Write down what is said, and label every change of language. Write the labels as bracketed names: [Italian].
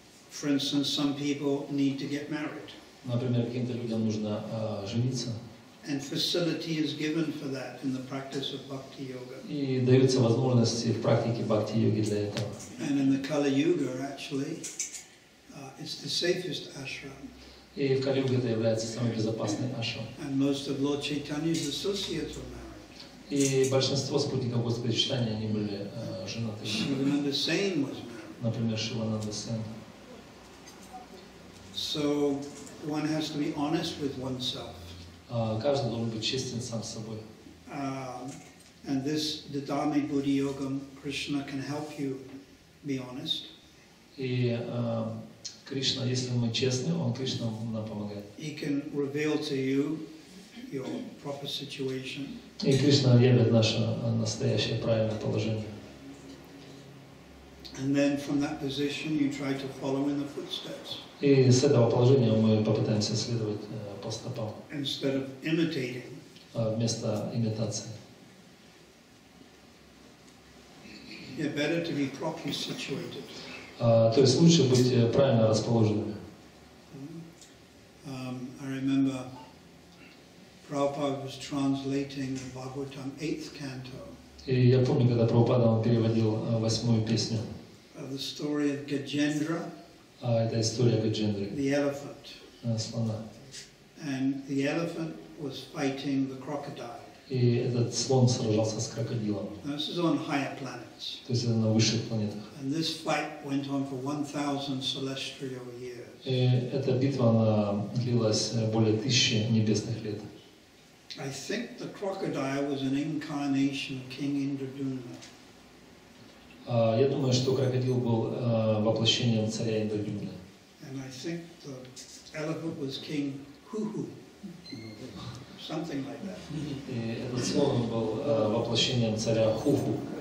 [English] For instance, some people need to get married. [Russian] Например, каким-то людям нужно жениться. [English] And facility is given for that in the practice of Bhakti Yoga. [Russian] И даются возможности в практике Бхакти Йоги для этого. [English] And in the Kali Yuga, actually. It's the safest ashram. [Russian] И в Кали-Юге это является самым безопасным ашрамом. [English] And most of Lord Chaitanya's associates were married. [Russian] И большинство спутников Господа Чайтаньи они были женаты. [English] Шивананда Сен was married. [Russian] Например, Шивананда Сен. [English] So one has to be honest with oneself. [Russian] Каждый должен быть честен сам с собой. [English] And this the Dharma Buddhi Yoga Krishna can help you be honest. [Russian] И Кришна, если мы честны, Он Кришна нам помогает. [English] He can reveal to you your proper situation. [Russian] И Кришна объявит наше настоящее правильное положение. [English] And then from that position you try to follow in the footsteps. [Russian] И с этого положения мы попытаемся следовать по стопам. [English] Instead of imitating. [Russian] Вместо имитации. [English] Yeah, better to be properly situated. [Russian] То есть лучше быть правильно расположенными. [English] I remember Prabhupada was translating the Bhagavatam 8th canto. [Russian] И я помню, когда Прабхупада переводил восьмую песню. [English] The story of Gajendra. [Russian] Это история Гаджендры. [English] The elephant. [Russian] Слона. [English] And the elephant was fighting the crocodile. [Russian] И этот слон сражался с крокодилом. [English] This is on higher planets. [Russian] То есть это на высших планетах. [English] And this fight went on for 1,000 celestial years. [Russian] И эта битва длилась более 1000 небесных лет. [English] I think the crocodile was an incarnation of King Indradumna. [Russian] Я думаю, что крокодил был воплощением царя Индрадюмны. [English] And I think the elephant was King Huhu. Something like that. [Russian] И этот слон был воплощением царя Хуху.